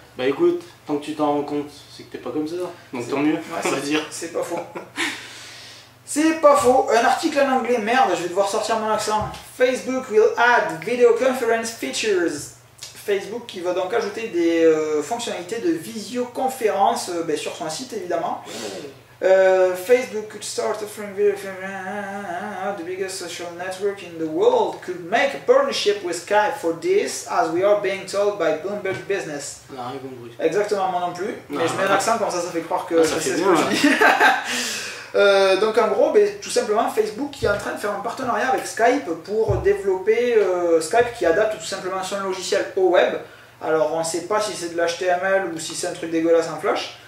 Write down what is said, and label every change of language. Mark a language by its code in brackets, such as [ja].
[fr] Bah écoute, tant que tu t'en rends compte, c'est que t'es pas comme ça, donc tant mieux, ouais, on va dire. C'est pas faux. C'est pas faux, un article en anglais, merde, je vais devoir sortir mon accent. [en] Facebook will add video conference features. [fr] Facebook qui va donc ajouter des fonctionnalités de visioconférence sur son site, évidemment. [en] Facebook could start offering video conference. The biggest social network in the world could make a partnership with Skype for this, as we are being told by Bloomberg Business. [fr] Non, rien compris. Exactement, moi non plus. Non, mais je mets un accent comme ça fait croire que ça c'est ce que je dis. Donc en gros, tout simplement, Facebook qui est en train de faire un partenariat avec Skype pour développer Skype qui adapte tout simplement son logiciel au web. Alors on ne sait pas si c'est de l'HTML ou si c'est un truc dégueulasse en Flash.